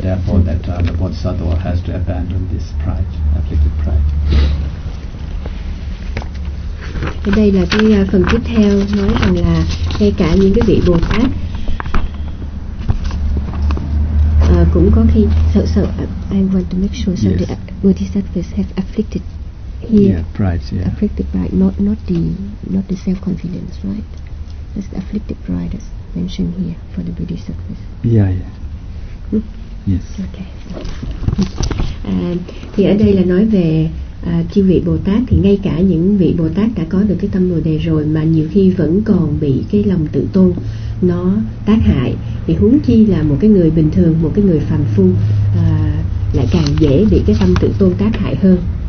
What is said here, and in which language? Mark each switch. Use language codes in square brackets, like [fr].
[en] Therefore, that the bodhisattva has to abandon this pride, afflicted pride. [vi] Thì đây là cái phần tiếp theo nói rằng là ngay cả những cái vị Bồ Tát cũng có khi sợ. [en] I want to make sure so yes. The bodhisattvas have afflicted here. Yeah, pride, yeah. Afflicted pride, not the self-confidence, right? That's the afflicted pride that's mentioned here for the bodhisattvas. Yeah, yeah. Hmm? Yes. Okay. [vi] Thì ở đây là nói về chư vị Bồ Tát, thì ngay cả những vị Bồ Tát đã có được cái tâm Bồ Đề rồi mà nhiều khi vẫn còn bị cái lòng tự tôn nó tác hại, thì huống chi là một cái người bình thường, một cái người phàm phu lại càng dễ bị cái tâm tự tôn tác hại hơn.